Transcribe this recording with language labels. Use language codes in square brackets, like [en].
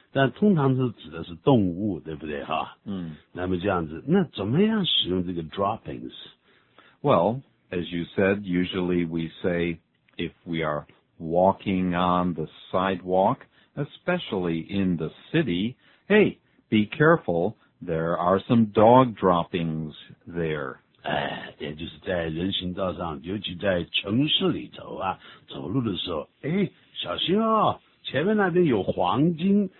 [zh] 但通常是指的是动物，对不对哈？嗯。那么这样子，那怎么样使用这个 droppings? [en] Well, as you said, usually we say if we are walking on the sidewalk, especially in the city, hey, be careful, there are some dog droppings there. [zh] 哎，也就是在人行道上，尤其在城市里头啊，走路的时候，哎，小心哦，前面那边有黄金。